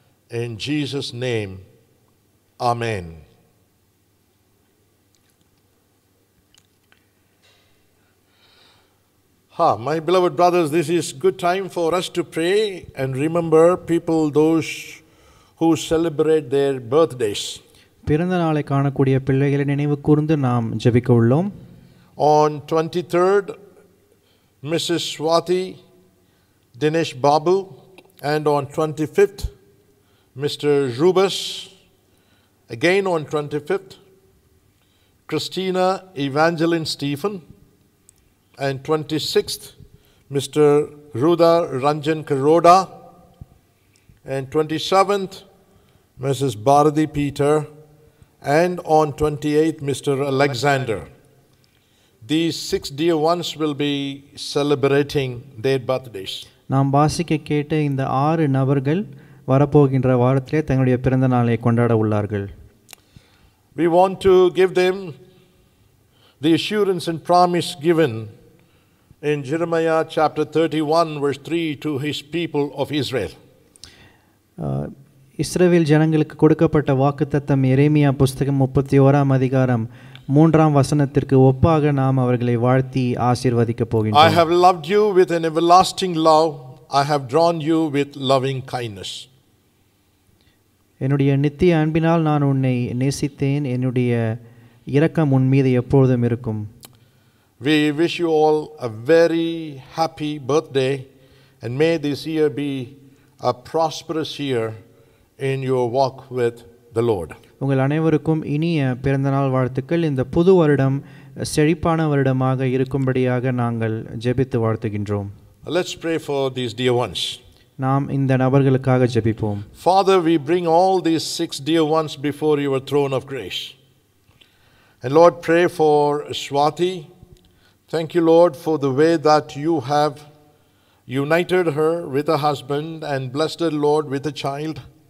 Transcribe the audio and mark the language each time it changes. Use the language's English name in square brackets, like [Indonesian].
[English] In Jesus' name, amen. My beloved brothers, this is good time for us to pray and remember people, those who celebrate their birthdays. [Tamil] பிறந்தநாளை காணக்கூடிய பிள்ளைகளை நினைவு கூர்ந்து நாம் ஜெபிக்க உள்ளோம். [English] On 23rd, Mrs. Swati Dinesh Babu, and on 25th, Mr. Rubas, again on 25th, Christina Evangeline Stephen, and 26th, Mr. Ruda Ranjan Karoda, and 27th, Mrs. Bharati Peter, and on 28th, Mr. Alexander. These six dear ones will be celebrating their birthdays. [Tamil] நாம் வாசிக்க கேட்ட இந்த ஆறு நபர்கள் வரப்போகின்ற வாரத்திலே தங்களுடைய பிறந்த நாளை கொண்டாட உள்ளார்கள். [English] We want to give them the assurance and promise given in Jeremiah chapter 31 verse 3 to his people of Israel. [Tamil] இஸ்ரவேல் ஜனங்களுக்கு கொடுக்கப்பட்ட வாக்குத்தத்தம் எரேமியா புஸ்தகம் 31 அதிகாரம் 3 வசனத்திற்கு ஒப்பாக நாம் அவர்களை வாழ்த்தி ஆசீர்வதிக்க போகின்றோம். [English] I have loved you with an everlasting love. I have drawn you with loving kindness. [Tamil] என்னுடைய நித்திய அன்பினால் நான் உன்னை நேசித்தேன். என்னுடைய இரக்கம் உன் மீது எப்பொழுதும் இருக்கும். [English] We wish you all a very happy birthday, and may this year be a prosperous year in your walk with the Lord. [Tamil] உங்கள் அனைவருக்கும் இனிய பிறந்தநாள் வாழ்த்துக்கள். இந்த புது வருடம் செழிப்பான வருடமாக இருக்கும்படியாக நாங்கள் ஜெபித்து வாழ்த்துகின்றோம். [English] Let's pray for these dear ones. [Tamil] நாம் இந்த நபர்களுக்காக ஜெபிப்போம். [English] Father, we bring all these six dear ones before your throne of grace. And Lord, pray for Swati. Thank you, Lord, for the way that you have united her with her husband and blessed her, Lord, with a child.